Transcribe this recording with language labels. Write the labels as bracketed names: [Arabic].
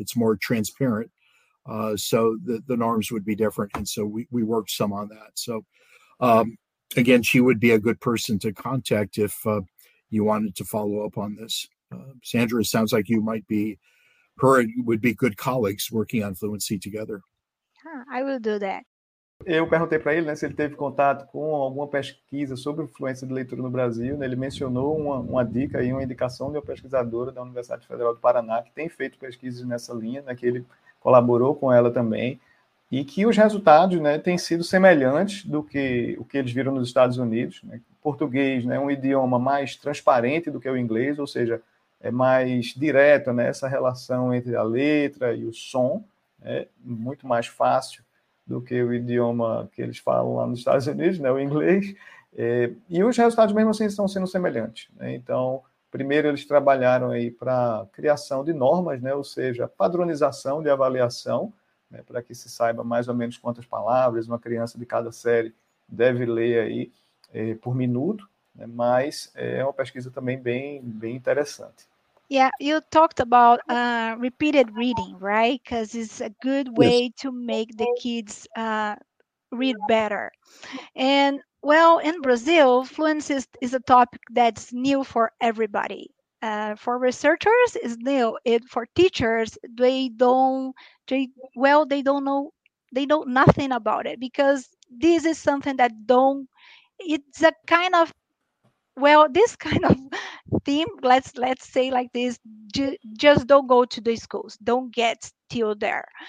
[English] It's more transparent. So the norms would be different. And so we worked some on that. So, again, she would be a good person to contact if you wanted to follow up on this. Sandra, it sounds like you might be, her would be good colleagues working on fluency together. I will do that. [Portuguese] Eu perguntei para ele, né, se ele teve contato com alguma pesquisa sobre fluência de leitura no Brasil. Né, ele mencionou uma dica e uma indicação de uma pesquisadora da Universidade Federal do Paraná que tem feito pesquisas nessa linha, né, que ele colaborou com ela também, e que os resultados, né, têm sido semelhantes do que o que eles viram nos Estados Unidos. Né, português, né, um idioma mais transparente do que o inglês, ou seja, é mais direto, né, essa relação entre a letra e o som, né, muito mais fácil do que o idioma que eles falam lá nos Estados Unidos, né, o inglês, e os resultados mesmo assim estão sendo semelhantes. Né? Então, primeiro eles trabalharam aí para criação de normas, né, ou seja, padronização de avaliação, né, para que se saiba mais ou menos quantas palavras uma criança de cada série deve ler aí por minuto, né? Mas é uma pesquisa também bem, bem interessante. [English] Yeah, you talked about repeated reading, right? Because it's a good way to make the kids read better. And, well, in Brazil, fluency is a topic that's new for everybody. For researchers, it's new. It, for teachers, they know nothing about it because this is something that it's a kind of, this kind of theme, let's say like this, just don't go to the schools, don't get till there.